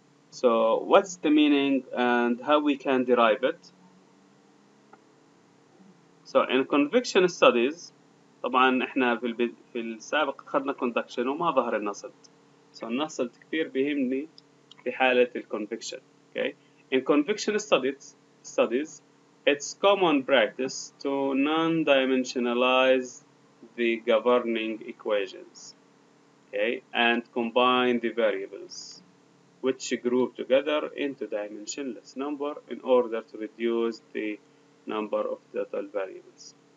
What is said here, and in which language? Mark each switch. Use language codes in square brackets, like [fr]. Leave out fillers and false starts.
[en] So what's the meaning and how we can derive it? So in convection studies, [ar] طبعا احنا في السابق اخذنا conduction وما ظهر النصلت. So النصلت كثير بيهمني في حالة الconviction. [en] Okay. In convection studies, it's common practice to non-dimensionalize the governing equations. Okay, and combine the variables which group together into dimensionless number in order to reduce the number of total variables.